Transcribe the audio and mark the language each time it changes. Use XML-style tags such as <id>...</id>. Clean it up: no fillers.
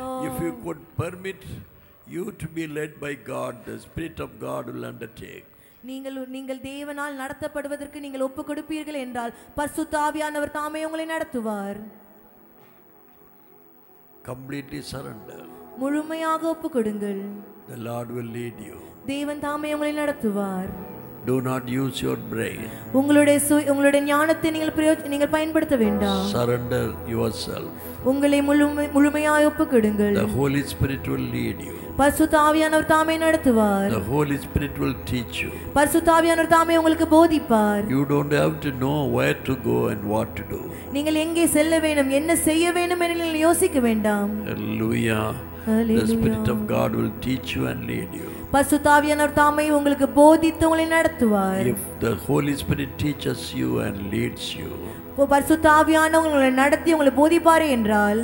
<en>If you could permit you to be led by God, the Spirit of God will undertake.</en> <ta>நீங்கள் தேவனால் நடத்தப்படுவதற்கு நீங்கள் ஒப்புக் கொடுப்பீர்கள் என்றால் பரிசுத்த ஆவியானவர் தாமே உங்களை நடத்துவார்.</ta> <en>Completely surrender.</en> <ta>முழுமையாக ஒப்புக் கொடுங்கள்.</ta> <en>The Lord will lead you.</en> <ta>தேவன் தாமே உங்களை நடத்துவார்.</ta> <en>Do not use your brain.</en> <ta>உங்களுடைய ஞானத்தை நீங்கள் பயன்படுத்த வேண்டாம்.</ta> <en>Surrender yourself.</en> <ta>உங்களை முழுமையாக ஒப்புக் கொடுங்கள்.</ta> <en>The Holy Spirit will lead you.</en> <ta>பரிசுத்த ஆவியானவர் தாமே நடத்துவார்.</ta> <en>The Holy Spirit will teach you.</en> <ta>பரிசுத்த ஆவியானவர் தாமே உங்களுக்கு போதிப்பார்.</ta> <en>You don't have to know where to go and what to do.</en> <ta>நீங்கள் எங்கே செல்ல வேண்டும், என்ன செய்ய வேண்டும் என நீங்கள் யோசிக்க வேண்டாம்.</ta> <en>Hallelujah. The Spirit of God will teach you and lead you.</en> <ta>பரிசுத்த ஆவியானவர் தாமே உங்களுக்கு போதித்து உங்களை நடத்துவார்.</ta> <en>If the Holy Spirit teaches you and leads you.</en> <ta>ஓ பரிசுத்த ஆவியானவர் உங்களை நடத்தி உங்களை போதிப்பார் என்றால்</ta>